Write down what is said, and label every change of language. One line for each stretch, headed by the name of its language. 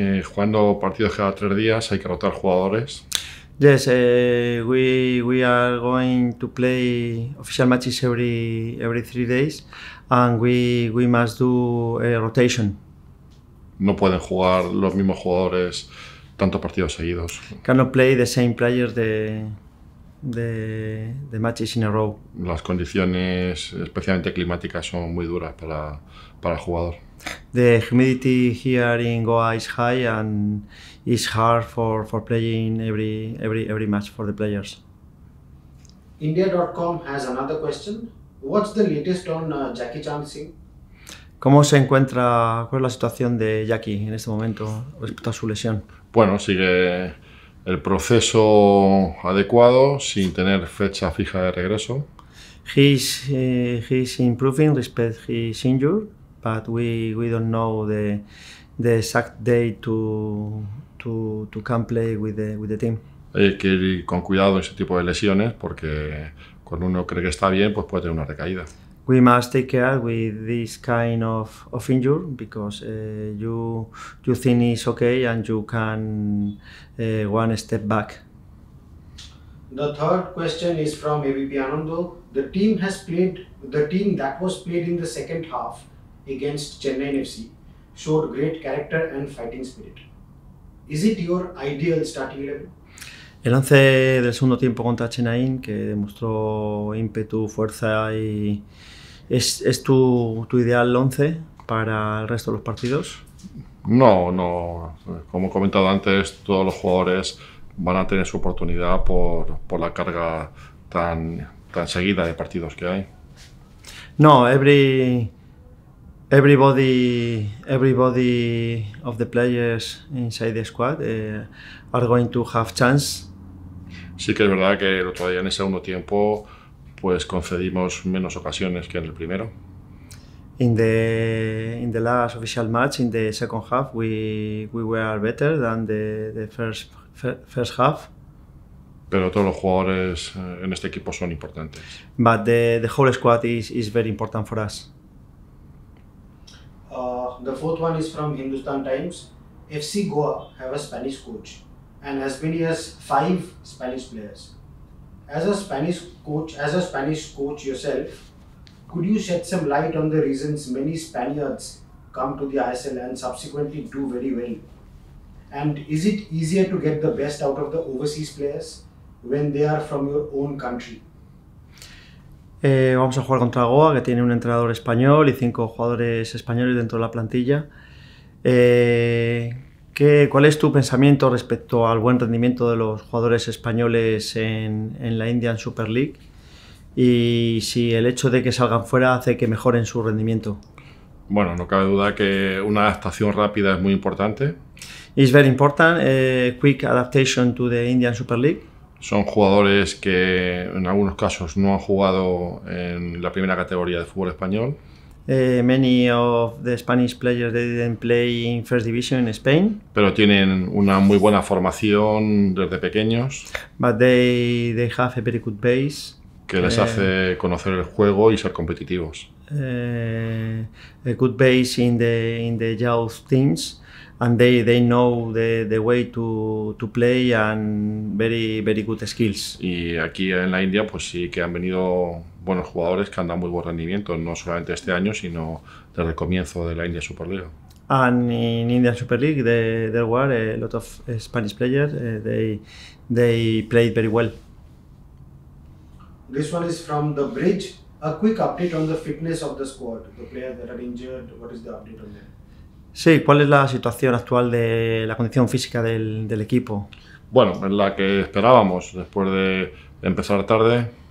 Spanish: Jugando partidos cada tres días hay que rotar jugadores.
English: Yes, we are going to play official matches every three days and we must do a rotation.
Spanish: No pueden jugar los mismos jugadores tantos partidos seguidos.
English: Cannot play the same players de matches in a row.
Spanish: Las condiciones, especialmente climáticas, son muy duras para el jugador.
English: The humidity here in Goa is high and it's hard for playing every match for the players. India.com has another question. What's the latest on Jackie Chan Singh?
Spanish: ¿Cómo se encuentra, cuál es la situación de Jackie en este momento respecto a su lesión? Bueno, sigue el proceso adecuado sin tener fecha fija de regreso.
English: He's improving respect his injury, but we don't know the exact date to come play with the team.
Spanish: Hay que ir con cuidado en ese tipo de lesiones porque cuando uno cree que está bien, pues puede tener una recaída.
English: We must take care with this kind of injury because you think it's okay and you can one step back. The third question is from ABP Anando. The team that was played in the second half against Chennai FC showed great character and fighting spirit. Is it your ideal starting 11?
Spanish: El once del segundo tiempo contra Chennai que demostró ímpetu, fuerza y ¿Es tu ideal 11 para el resto de los partidos? No. Como he comentado antes, todos los jugadores van a tener su oportunidad por la carga tan seguida de partidos que hay.
English: No, everybody of the players inside the squad are going to have chance.
Spanish: Sí que es verdad que el otro día en el segundo tiempo pues concedimos menos ocasiones que en el primero.
English: In the last official match in the second half we were better than the first half.
Spanish: Pero todos los jugadores en este equipo son importantes.
English: But the whole squad is very important for us. The fourth one is from Hindustan Times. FC Goa have a Spanish coach and as many as 5 Spanish players. As a Spanish coach yourself, could you shed some light on the reasons many Spaniards come to the ISL and subsequently do very well? And is it easier to get the best out of the overseas players when they are from your own country?
Spanish: Vamos a jugar contra Goa, que tiene un entrenador español y 5 jugadores españoles dentro de la plantilla. ¿Cuál es tu pensamiento respecto al buen rendimiento de los jugadores españoles en la Indian Super League y si el hecho de que salgan fuera hace que mejoren su rendimiento? Bueno, no cabe duda que una adaptación rápida es muy importante.
English: It's very important, quick adaptation to the Indian Super League.
Spanish: Son jugadores que en algunos casos no han jugado en la primera categoría de fútbol español.
English: Many of the Spanish players didn't play in first division in Spain.
Spanish: Pero tienen una muy buena formación desde pequeños.
English: But they have a very good base.
Spanish: Que les hace conocer el juego y ser competitivos.
English: A good base in the youth teams, and they know the way to play and very very good skills.
Spanish: Y aquí en la India, pues sí que han venido buenos jugadores que han dado muy buen rendimiento, no solamente este año, sino desde el comienzo de la India Super League.
English: And in India Super League, there were a lot of Spanish players. They played very well. This one is from The Bridge. A quick update on the fitness of the squad. The players that are injured, what is the update on them?
Spanish: Sí, ¿cuál es la situación actual de la condición física del equipo? Bueno, es la que esperábamos después de empezar tarde.